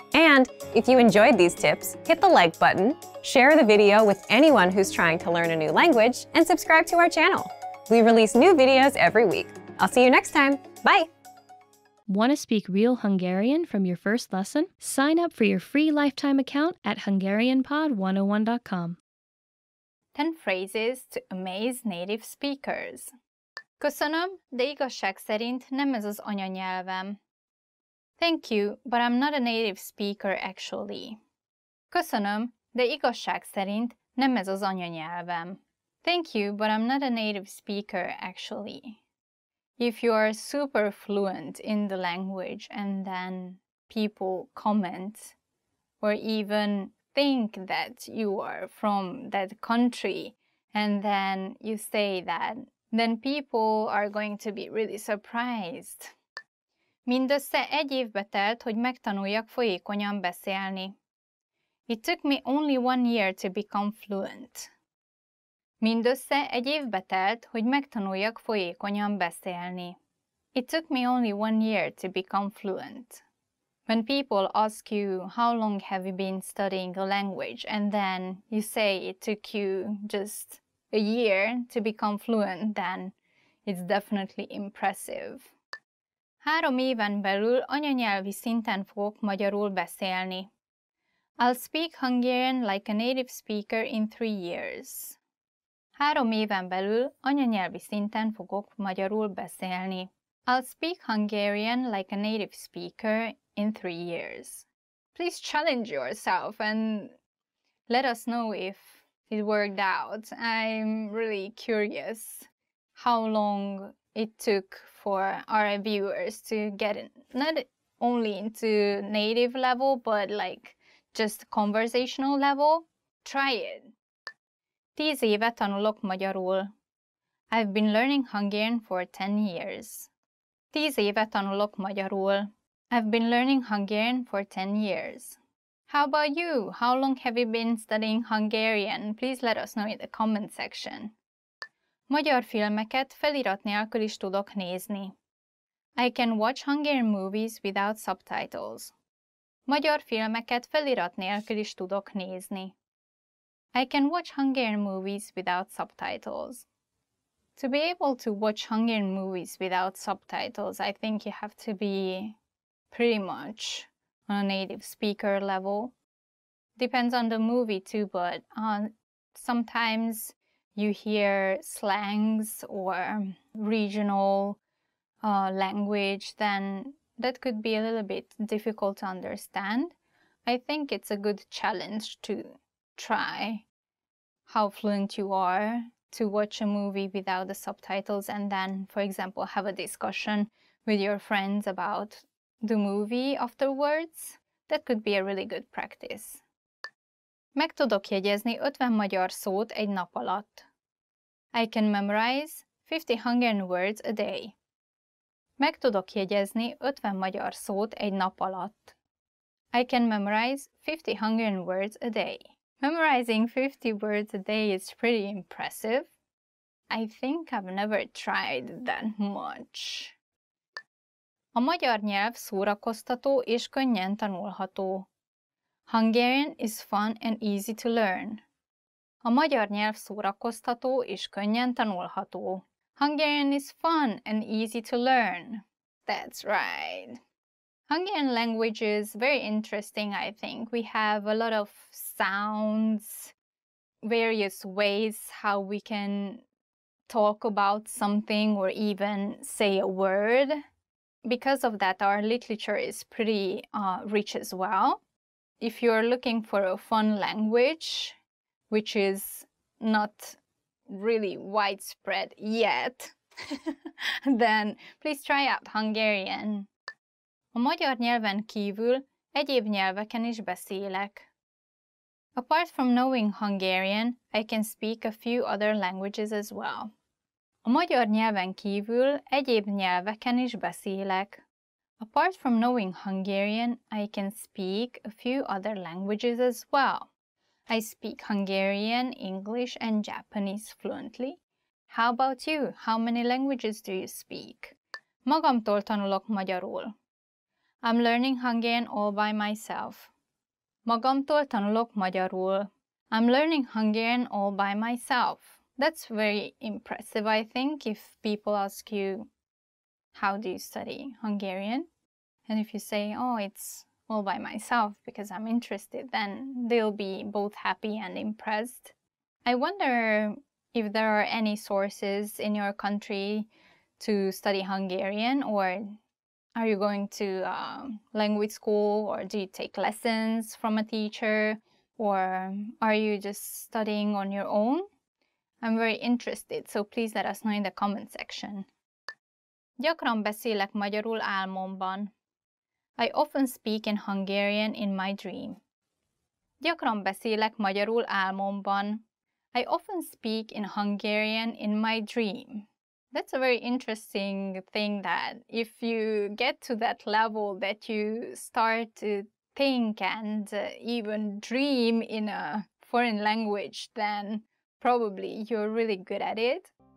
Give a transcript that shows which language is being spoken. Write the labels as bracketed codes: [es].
[en] And if you enjoyed these tips, hit the like button, share the video with anyone who's trying to learn a new language, and subscribe to our channel. We release new videos every week. I'll see you next time. Bye. Want to speak real Hungarian from your first lesson? Sign up for your free lifetime account at HungarianPod101.com. 10 phrases to amaze native speakers. [hu] Köszönöm, de igazság szerint nem ez az anyanyelvem. [en] Thank you, but I'm not a native speaker actually. [hu] Köszönöm, de igazság szerint nem ez az anyanyelvem. [en] Thank you, but I'm not a native speaker actually. If you are super fluent in the language and then people comment or even think that you are from that country and then you say that, then people are going to be really surprised. [hu] Mindössze egy évbe telt, hogy megtanuljak folyékonyan beszélni. [en] It took me only 1 year to become fluent. [hu] Mindössze egy évbe telt, hogy megtanuljak folyékonyan beszélni. [en] It took me only 1 year to become fluent. When people ask you how long have you been studying a language and then you say it took you just a year to become fluent, then it's definitely impressive. [hu] 3 éven belül anyanyelvi szinten fogok magyarul beszélni. [en] I'll speak Hungarian like a native speaker in 3 years. [hu] 3 éven belül anyanyelvi szinten fogok magyarul beszélni. [en] I'll speak Hungarian like a native speaker in 3 years. Please challenge yourself and let us know if it worked out. I'm really curious how long it took for our viewers to get in, not only into native level, but like just conversational level. Try it. [hu] 10 éve tanulok magyarul. [en] I've been learning Hungarian for 10 years. [hu] 10 éve tanulok magyarul. [en] I've been learning Hungarian for 10 years. How about you? How long have you been studying Hungarian? Please let us know in the comment section. [hu] Magyar filmeket felirat nélkül is tudok nézni. [en] I can watch Hungarian movies without subtitles. [hu] Magyar filmeket felirat nélkül is tudok nézni. [en] I can watch Hungarian movies without subtitles. To be able to watch Hungarian movies without subtitles, I think you have to be pretty much on a native speaker level. Depends on the movie too, but sometimes you hear slangs or regional language, then that could be a little bit difficult to understand. I think it's a good challenge to try how fluent you are to watch a movie without the subtitles and then, for example, have a discussion with your friends about the movie afterwards. That could be a really good practice. [hu] Meg tudok jegyezni 50 magyar szót egy nap alatt. [en] I can memorize 50 Hungarian words a day. [hu] Meg tudok jegyezni 50 magyar szót egy nap alatt. [en] I can memorize 50 Hungarian words a day. Memorizing 50 words a day is pretty impressive. I think I've never tried that much. [hu] A magyar nyelv szórakoztató és könnyen tanulható. [en] Hungarian is fun and easy to learn. [hu] A magyar nyelv szórakoztató és könnyen tanulható. [en] Hungarian is fun and easy to learn. That's right. Hungarian language is very interesting, I think. We have a lot of sounds, various ways how we can talk about something or even say a word. Because of that, our literature is pretty rich as well. If you're looking for a fun language, which is not really widespread yet, then please try out Hungarian. [hu] A magyar nyelven kívül egyéb nyelveken is beszélek. [en] Apart from knowing Hungarian, I can speak a few other languages as well. [hu] A magyar nyelven kívül egyéb nyelveken is beszélek. [en] Apart from knowing Hungarian, I can speak a few other languages as well. I speak Hungarian, English, and Japanese fluently. How about you? How many languages do you speak? [hu] Magamtól tanulok magyarul. [en] I'm learning Hungarian all by myself. [hu] Magamtól tanulok magyarul. [en] I'm learning Hungarian all by myself. That's very impressive, I think, if people ask you, how do you study Hungarian? And if you say, oh, it's all by myself because I'm interested, then they'll be both happy and impressed. I wonder if there are any sources in your country to study Hungarian, or are you going to language school, or do you take lessons from a teacher, or are you just studying on your own? I'm very interested, so please let us know in the comment section. [hu] Gyakran beszélek magyarul álmomban. [en] I often speak in Hungarian in my dream. [hu] Gyakran beszélek magyarul álmomban. [en] I often speak in Hungarian in my dream. That's a very interesting thing, that if you get to that level that you start to think and even dream in a foreign language, then probably you're really good at it.